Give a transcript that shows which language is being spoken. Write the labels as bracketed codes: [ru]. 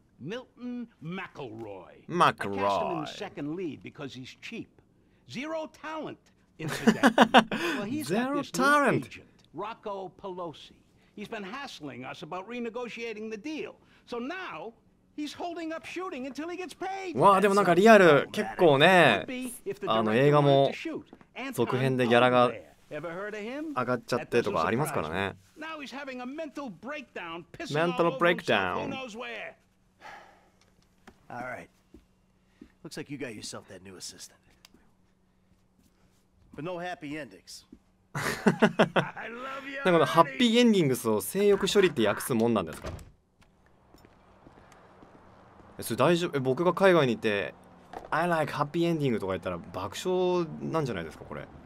[en] Milton McElroy. McElroy. I cast him in the second lead because he's cheap. Zero talent. Incidentally. Well, he's zero got this talent. New agent, Rocco Pelosi. He's been hassling us about renegotiating the deal. So now he's holding up shooting until he gets paid. [ja] わあ、でもなんかリアル、結構ね、あの映画も続編でギャラが上がっちゃってとかありますからね。 [en] Now he's having a mental breakdown, mental breakdown. All right. Looks like you got yourself that new assistant. But no happy endings. [ja] なんかハッピーエンディングスを性欲処理って訳すもんなんですか。それ大丈夫？僕が海外にいて [en] I like happy ending [ja] とか言ったら爆笑なんじゃないですかこれ。